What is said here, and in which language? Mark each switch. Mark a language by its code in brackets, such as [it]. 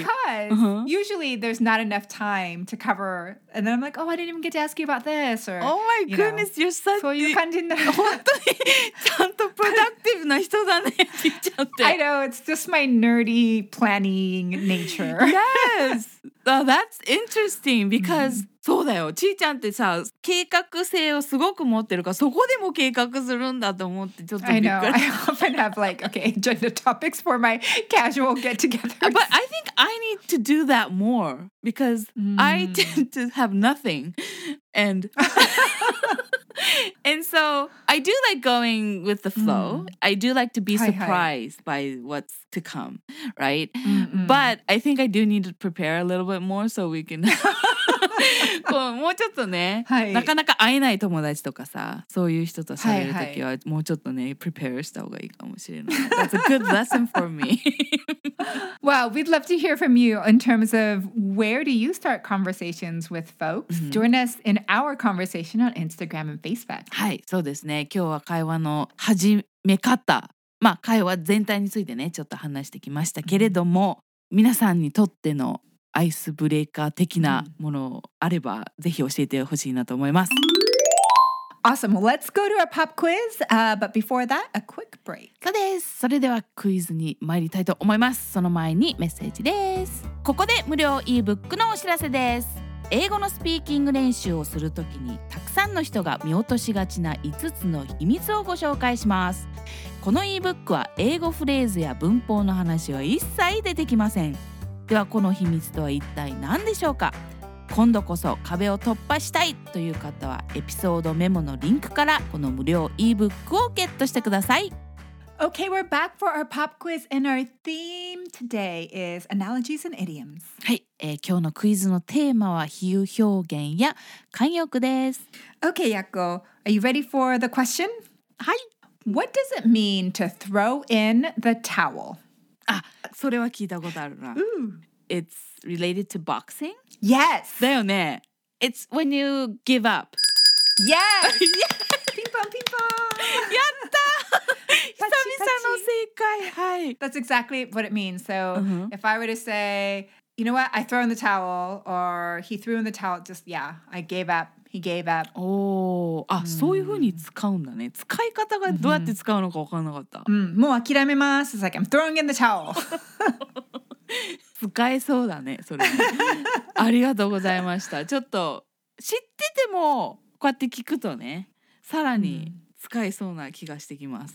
[en] Because usually there's not enough time to cover. And then I'm like, oh, I didn't even get to ask you about this. Or, oh my goodness, you know, you're such... So you're kind of... Really? Productive [ja] na hito da ne. [en] I know, it's just my nerdy planning nature. Yes! That's interesting because... Mm-hmm. [ja] そうだよ。ちーちゃんってさ、計画性をすごく持ってるから、そこでも計画するんだと思って、ちょっとびっくり。 [en] I know. I often have like, okay, join the topics for my casual get-together. But I think I need to do that more because I tend to have nothing. And, and so I do like going with the flow. I do like to be surprised by what's to come, right? Mm-hmm. But I think I do need to prepare a little bit more so we can... [ja] こうもうちょっとね、はい、なかなか会えない友達とかさそういう人と喋るときはもうちょっとね prepare した方がいいかもしれない [en] That's a good lesson for me Well, we'd love to hear from you in terms of where do you start conversations with folks? Join us in our conversation on Instagram and Facebook [ja] はい、そうですね今日は会話の始め方まあ会話全体についてねちょっと話してきましたけれども、皆さんにとってのアイスブレーカー的なものあればぜひ教えてほしいなと思います。 [en] Awesome. Well, let's go to our pop quiz. But before that, a quick break. [ja] そうです。それではクイズに参りたいと思います。その前にメッセージです。ここで無料 e-book のお知らせです。英語のスピーキング練習をするときにたくさんの人が見落としがちな5つの秘密をご紹介します。この e-book は英語フレーズや文法の話は一切出てきません。ではこの秘密とは一体何でしょうか今度こそ壁を突破したいという方はエピソードメモのリンクからこの無料 e-book をゲットしてください [en] Okay, we're back for our pop quiz and our theme today is analogies and idioms [ja] はい、今日のクイズのテーマは比喩表現や慣用句です [en] Okay, Yakko, are you ready for the question? [ja] はい [en] What does it mean to throw in the towel? [ja] あ、それは聞いたことあるな。 [en] It's related to boxing? Yes! [ja] だよね。 [en] It's when you give up. Yes! [ja] ピンポンピンポンやった久々の正解、はい、 [en] That's exactly what it means. So、if I were to say, you know what, I throw in the towel, or he threw in the towel, just, yeah, I gave up, he gave up. [ja] おー、あ、そういう風に使うんだね。使い方がどうやって使うのか分かんなかった。もう諦めます。 [en] It's like, I'm throwing in the towel. [ja] 使えそうだね、それ。ありがとうございました。ちょっと知ってても、こうやって聞くとね、さらに使えそうな気がしてきます。